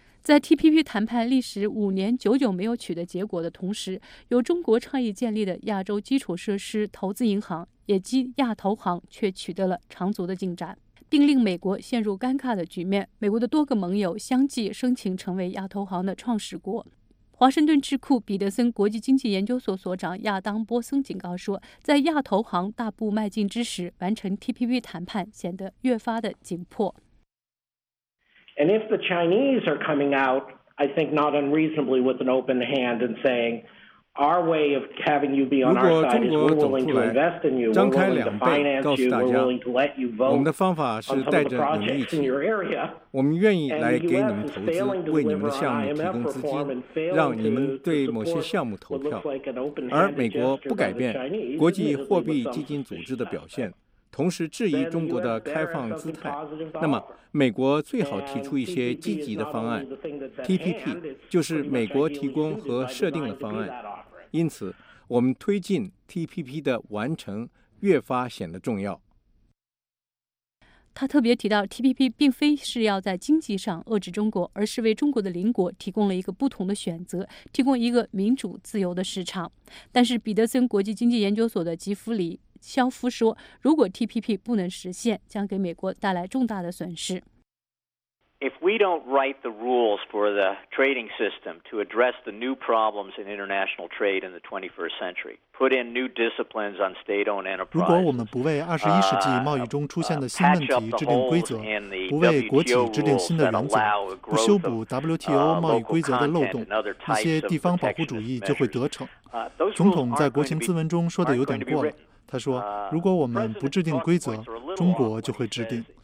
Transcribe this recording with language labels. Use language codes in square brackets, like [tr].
[zh] 在 TPP 谈判历时五年久久没有取得结果的同时，由中国倡议建立的亚洲基础设施投资银行，也即亚投行，却取得了长足的进展，并令美国陷入尴尬的局面。美国的多个盟友相继申请成为亚投行的创始国。华盛顿智库彼得森国际经济研究所所长亚当·波森警告说，在亚投行大步迈进之时，完成 TPP 谈判显得越发的紧迫。 [en] And if the Chinese are coming out, I think not unreasonably with an open hand and saying, our way of having you be on our side is we're willing to invest in you, we're willing to finance you, we're willing to let you vote. [zh] 我们的方法是带着你们一起，我们愿意来给你们投资，为你们的项目提供资金，让你们对某些项目投票。而美国不改变国际货币基金组织的表现，同时质疑中国的开放姿态，那么美国最好提出一些积极的方案。 TPP 就是美国提供和设定的方案，因此我们推进 TPP 的完成越发显得重要。他特别提到， TPP 并非是要在经济上遏制中国，而是为中国的邻国提供了一个不同的选择，提供一个民主自由的市场。但是彼得森国际经济研究所的吉弗里肖夫说，如果 TPP 不能实现，将给美国带来重大的损失。 [en] If we don't write the rules for the trading system to address the new problems in international trade in the 21st century, put in new disciplines on state-owned enterprises, [zh] 如果我们不为二十一世纪贸易中出现的新问题制定规则，不为国企制定新的原则，不修补 WTO 贸易规则的漏洞，一些地方保护主义就会得逞。总统在国情咨文中说的有点过了。他说，如果我们不制定规则，中国就会制定。